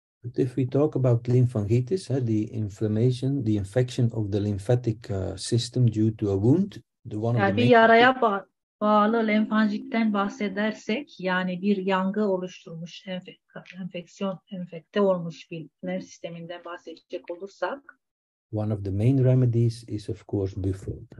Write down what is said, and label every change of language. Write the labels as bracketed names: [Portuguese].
[English] But if we talk about lymphangitis, the inflammation, the infection of the lymphatic system due to a wound, the one [Turkish] yani [English] of the [Turkish] bir main... yaraya bağlı lenfangitten bahsedersek, yani bir yangı oluşturmuş enfeksiyon, enfekte olmuş bir lenf sisteminden bahsedecek olursak, [English] one of the main remedies is of course Buffo.